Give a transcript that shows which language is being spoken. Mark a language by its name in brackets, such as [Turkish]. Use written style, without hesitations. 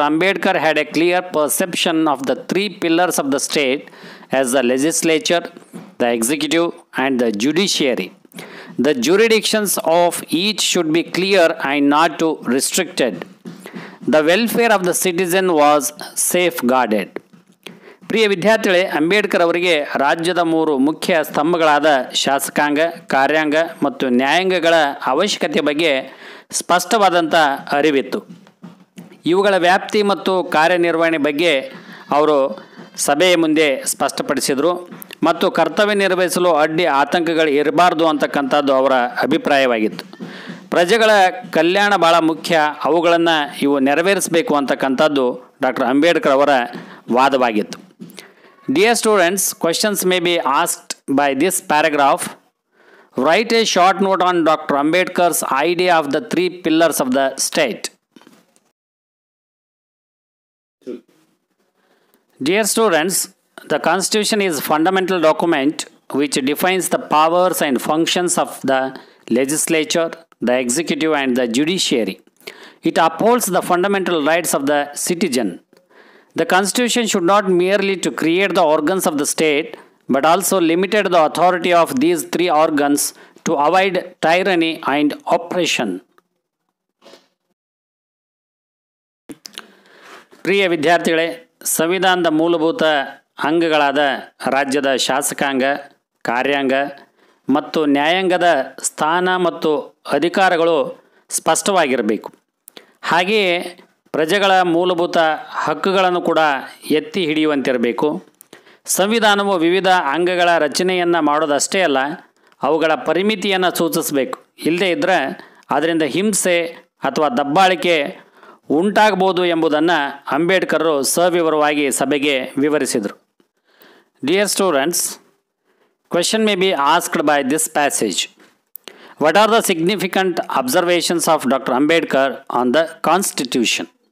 [English] Ambedkar had a clear perception of the three pillars of the state as the legislature, the executive, and the judiciary. The jurisdictions of each should be clear and not too restricted. The welfare of the citizen was safeguarded. [Kannada] ಪ್ರಿಯ ವಿದ್ಯಾರ್ಥಿಗಳೇ, ಅಂಬೇಡ್ಕರ್ ಅವರಿಗೆ ರಾಜ್ಯದ ಮೂರು ಮುಖ್ಯ ಸ್ತಂಭಗಳಾದ ಶಾಸಕಾಂಗ, ಕಾರ್ಯಾಂಗ ಮತ್ತು ನ್ಯಾಯಾಂಗಗಳ ಅವಶ್ಯಕತೆ ಬಗ್ಗೆ ಸ್ಪಷ್ಟವಾದಂಥ ಅರಿವಿತ್ತು. ಇವುಗಳ ವ್ಯಾಪ್ತಿ ಮತ್ತು ಕಾರ್ಯನಿರ್ವಹಣೆ ಬಗ್ಗೆ ಅವರು ಸಭೆಯ ಮುಂದೆ ಸ್ಪಷ್ಟಪಡಿಸಿದರು ಮತ್ತು ಕರ್ತವ್ಯ ನಿರ್ವಹಿಸಲು ಅಡ್ಡಿ ಆತಂಕಗಳು ಇರಬಾರ್ದು ಅಂತಕ್ಕಂಥದ್ದು ಅವರ ಅಭಿಪ್ರಾಯವಾಗಿತ್ತು. ಪ್ರಜೆಗಳ ಕಲ್ಯಾಣ ಭಾಳ ಮುಖ್ಯ, ಅವುಗಳನ್ನು ಇವು ನೆರವೇರಿಸಬೇಕು ಅಂತಕ್ಕಂಥದ್ದು ಡಾಕ್ಟರ್ ಅಂಬೇಡ್ಕರ್ ಅವರ ವಾದವಾಗಿತ್ತು. [English] Dear students, questions may be asked by this paragraph. Write a short note on doctor Ambedkar's idea of the three pillars of the state. Dear students, the constitution is fundamental document which defines the powers and functions of the legislature, the executive and the judiciary. It upholds the fundamental rights of the citizen. The constitution should not merely to create the organs of the state, but also limited the authority of these three organs to avoid tyranny and oppression. [Kannada] Priya vidyarthigale, samvidhanada moolabhoota angagalada rajyada shasakanga, karyanga mattu nyayangada sthana mattu adhikaragalu spashtavagirbeku. Hageye ಪ್ರಜೆಗಳ ಮೂಲಭೂತ ಹಕ್ಕುಗಳನ್ನು ಕೂಡ ಎತ್ತಿ ಹಿಡಿಯುವಂತಿರಬೇಕು. ಸಂವಿಧಾನವು ವಿವಿಧ ಅಂಗಗಳ ರಚನೆಯನ್ನು ಮಾಡೋದಷ್ಟೇ ಅಲ್ಲ, ಅವುಗಳ ಪರಿಮಿತಿಯನ್ನು ಸೂಚಿಸಬೇಕು. ಇಲ್ಲದೇ ಇದ್ದರೆ ಅದರಿಂದ ಹಿಂಸೆ ಅಥವಾ ದಬ್ಬಾಳಿಕೆ ಉಂಟಾಗಬಹುದು ಎಂಬುದನ್ನು ಅಂಬೇಡ್ಕರ್ ಸವಿವರವಾಗಿ ಸಭೆಗೆ ವಿವರಿಸಿದರು. [English] Dear students, question may be asked by this passage. What are the significant observations of Dr. Ambedkar on the Constitution?